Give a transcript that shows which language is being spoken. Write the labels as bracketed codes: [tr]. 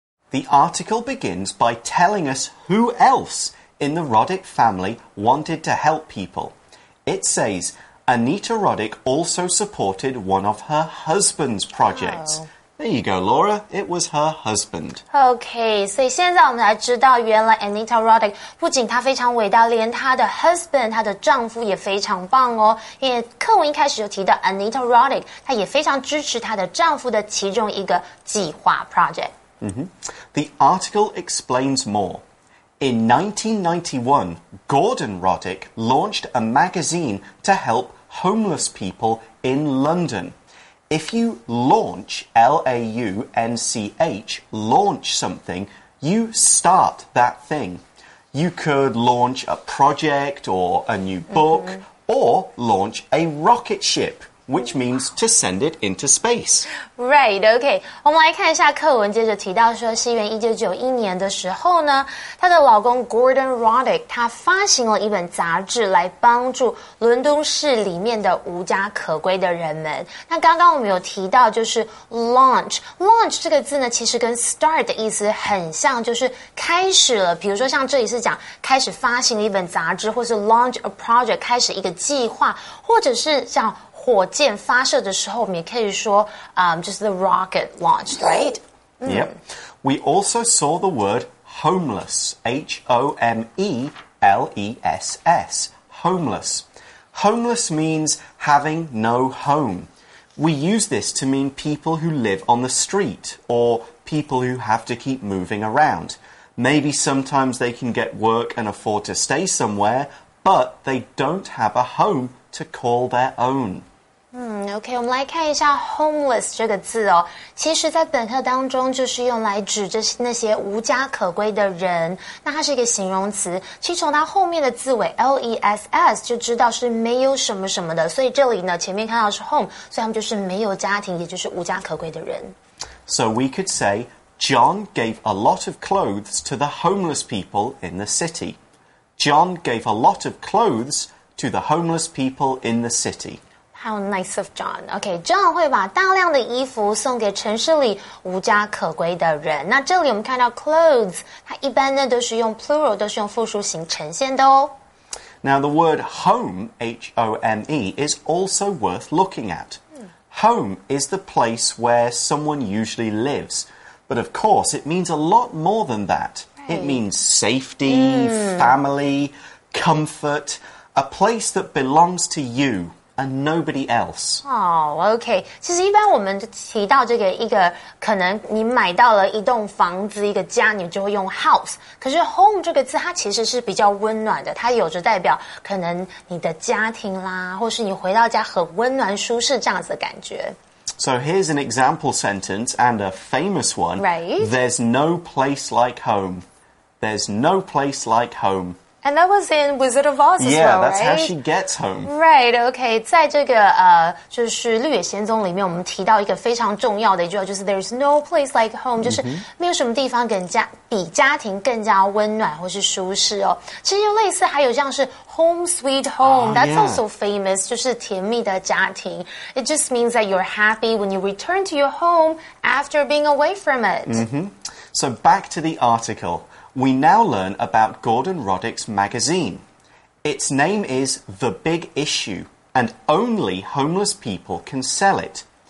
[en] The article begins by telling us who else in the Roddick family wanted to help people. It says, Anita Roddick also supported one of her husband's projects. There you go, Laura. It was her husband. [zh] Okay, 所以现在我们才知道原来 Anita Roddick 不仅她非常伟大，连她的 husband, 她的丈夫也非常棒哦。因为课文一开始就提到 Anita Roddick, 她也非常支持她的丈夫的其中一个计划 project. [en] The article explains more. In 1991, Gordon Roddick launched a magazine to help homeless people in London. If you launch, L-A-U-N-C-H, launch something, you start that thing. You could launch a project or a new book, or launch a rocket ship, which means to send it into space. Right, okay. [zh] 我们来看一下课文接着提到说西元1991年的时候呢她的老公 Gordon Roddick, 他发行了一本杂志来帮助伦敦市里面的无家可归的人们。那刚刚我们有提到就是 launch。launch 这个字呢其实跟 start 的意思很像就是开始了比如说像这里是讲开始发行了一本杂志或是 launch a project, 开始一个计划或者是像火箭发射的时候我们也可以说、 [en] just the rocket launched, right?、 Yep. We also saw the word homeless, H-O-M-E-L-E-S-S, homeless. Homeless means having no home. We use this to mean people who live on the street or people who have to keep moving around. Maybe sometimes they can get work and afford to stay somewhere, but they don't have a home to call their own. [zh] OK, 我们来看一下 homeless 这个字哦。其实在本课当中就是用来指着那些无家可归的人。那它是一个形容词。其实从它后面的字尾 ,L-E-S-S, 就知道是没有什么什么的。所以这里呢前面看到是 home, 所以他们就是没有家庭也就是无家可归的人。 [en] So we could say, John gave a lot of clothes to the homeless people in the city. John gave a lot of clothes to the homeless people in the city. How nice of John. [zh] Okay, John 会把大量的衣服送给城市里无家可归的人。那这里我们看到 clothes, 它一般呢都是用 plural, 都是用复数形呈现的哦。 [en] Now the word home, H-O-M-E, is also worth looking at. Home is the place where someone usually lives. But of course, it means a lot more than that. Right. It means safety, family, comfort, a place that belongs to you. And nobody else. Oh, okay. 其实一般我们提到这个一个可能你买到了一栋房子一个家你就会用 house. 可是 home 这个字它其实是比较温暖的它有着代表可能你的家庭啦或是你回到家很温暖舒适这样子的感觉。 So here's an example sentence and a famous one. Right? There's no place like home. There's no place like home. And that was in Wizard of Oz as yeah, well, right? Yeah, that's how she gets home. Right, okay. [zh] 在这个就是《绿野仙踪》里面，我们提到一个非常重要的一句话，就是 [en] "There's no place like home."、 [zh] Mm-hmm. 就是没有什么地方更加比家庭更加温暖或是舒适哦。其实就类似，还有像是 [en] "Home Sweet Home."、 Oh, that's、 yeah. also famous. [zh] 就是甜蜜的家庭。 [en] It just means that you're happy when you return to your home after being away from it. Mm-hmm. So back to the article. We now learn about Gordon Roddick's magazine. Its name is The Big Issue, and only homeless people can sell it.